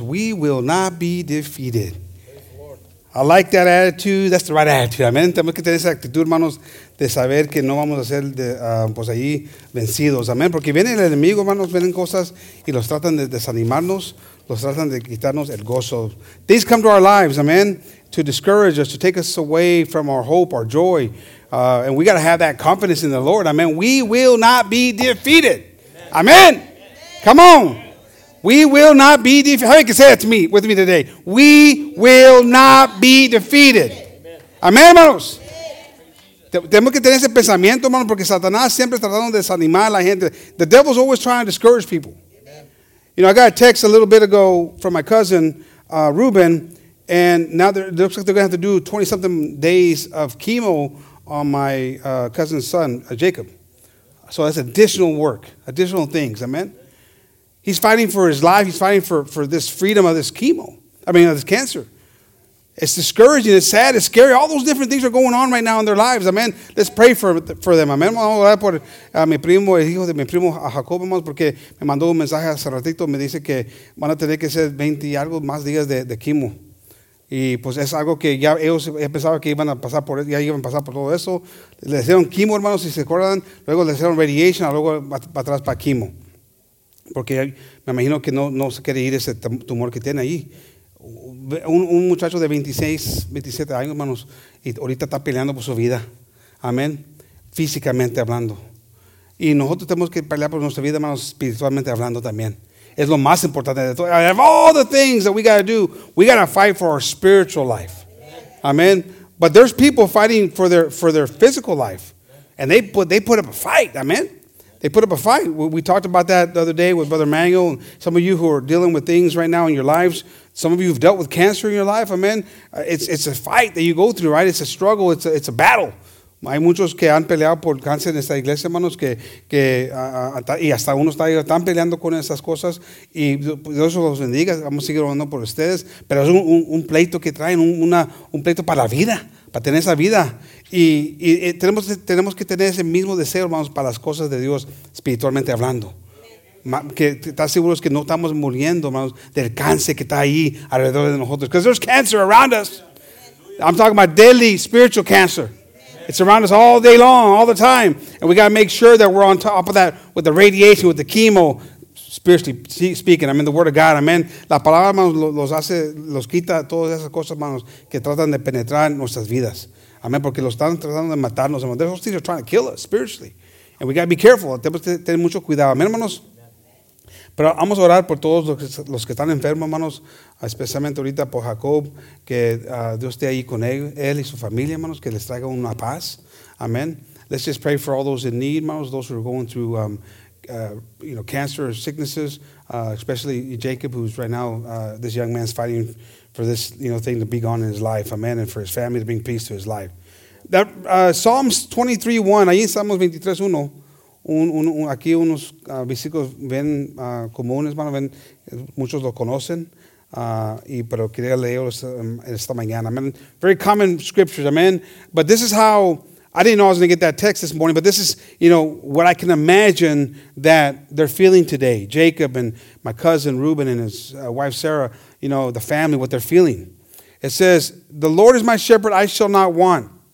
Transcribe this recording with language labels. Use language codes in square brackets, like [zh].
[en] We will not be defeated. I like that attitude. That's the right attitude. Amen. [es] Tenemos que tener esa actitud, hermanos, de saber que no vamos a ser allí vencidos. Amen. Porque viene el enemigo, hermanos, vienen cosas y los tratan de desanimarnos, los tratan de quitarnos el gozo. [en] Things come to our lives. Amen. To discourage us, to take us away from our hope, our joy. And we got to have that confidence in the Lord. Amen. We will not be defeated. Amen. Amen. Amen. Come on. We will not be defeated. How many can say that to me, with me today? We will not be defeated. Amen, hermanos. [es] Tenemos que tener ese pensamiento, hermanos, porque Satanás siempre está tratando de desanimar a la gente. [en] The devil's always trying to discourage people. Amen. You know, I got a text a little bit ago from my cousin, Ruben, and now it looks like they're going to have to do 20-something days of chemo on my cousin's son, Jacob. So that's additional work, additional things. Amen. He's fighting for his life. He's fighting for this freedom of this chemo. I mean, of this cancer. It's discouraging. It's sad. It's scary. All those different things are going on right now in their lives. Amen. Let's pray for them. Amen. [es] Vamos a orar por mi primo, el hijo de mi primo, Jacob, porque me mandó un mensaje hace ratito. Me dice que van a tener que ser 20 y algo más días de quimo. Y pues es algo que ya ellos pensaban que iban a pasar por, ya iban a pasar por todo eso. Le hicieron quimo, hermanos, si se acuerdan. Luego le hicieron radiation, luego para atrás para quimo. Porque me imagino que no se quiere ir ese tumor que tiene ahí. Un muchacho de 26, 27 años, hermanos, y ahorita está peleando por su vida. Amén. Físicamente hablando. Y nosotros tenemos que pelear por nuestra vida, hermanos, espiritualmente hablando también. Es lo más importante de todo. [en] Of all the things that we got to do, we got to fight for our spiritual life. Amen. But there's people fighting for their physical life. And they put up a fight. Amen. They put up a fight. We talked about that the other day with Brother Manuel. Some of you who are dealing with things right now in your lives. Some of you have dealt with cancer in your life. Amen. It's a fight that you go through, right? It's a struggle. It's a battle. [es] Hay muchos que han peleado por cáncer en esta iglesia, hermanos, y hasta uno están peleando con esas cosas, y Dios los bendiga, vamos a seguir orando por ustedes, pero es un pleito que traen, un pleito para la vida, para tener esa vida, y tenemos que tener ese mismo deseo, hermanos, para las cosas de Dios, espiritualmente hablando, que estar seguros que no estamos muriendo, hermanos, del cáncer que está ahí alrededor de nosotros, [en] because there's cancer around us. I'm talking about deadly spiritual cancer. It's around us all day long, all the time. And we got to make sure that we're on top of that with the radiation, with the chemo, spiritually speaking. I mean, the word of God, amen. [es] La palabra, hermanos, los hace, los quita todas esas cosas, hermanos, que tratan de penetrar en nuestras vidas. Amen, porque los están tratando de matarnos, hermanos. [en] Those things are trying to kill us, spiritually. And we got to be careful. [es] Tenemos que tener mucho cuidado, amen, hermanos. Pero vamos a orar por todos los que están enfermos, hermanos, especialmente ahorita por Jacob, que Dios esté ahí con él y su familia, hermanos, que les traiga una paz. Amen. [en] Let's just pray for all those in need, hermanos, those who are going through cancer or sicknesses, especially Jacob, who's right now, this young man's fighting for this, you know, thing to be gone in his life. Amen. And for his family to bring peace to his life. That Psalms 23:1, [es] ahí en Salmos 23:1. Aquí unos versículos ven comunes, hermano, ven, muchos lo conocen, pero quería leerlos esta mañana. [en] Amen. Very common scriptures, amen. But this is how, I didn't know I was going to get that text this morning, but this is, you know, what I can imagine that they're feeling today. Jacob and my cousin Reuben and his wife Sarah, you know, the family, what they're feeling. It says, "The Lord is my shepherd, I shall not want.